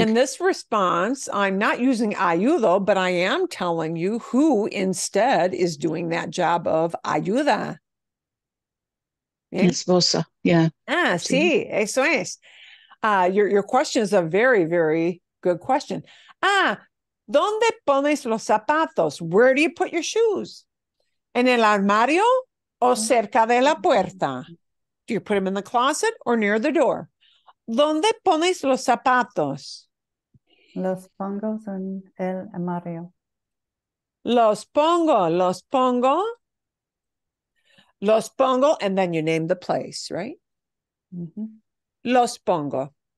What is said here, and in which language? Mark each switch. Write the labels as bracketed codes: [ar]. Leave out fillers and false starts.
[en] In this response, I'm not using ayudo, but I am telling you who instead is doing that job of ayuda. Yeah? Esposa, yeah. [es] Ah, sí, eso es. [en] Your question is a very, very good question. [es] ¿Dónde pones los zapatos? [en] Where do you put your shoes? [es] En el armario o cerca de la puerta? [en] Do you put them in the closet or near the door? [es] ¿Dónde pones los zapatos? Los pongo en el armario. Los pongo, [en] and then you name the place, right? Mm-hmm. Los pongo.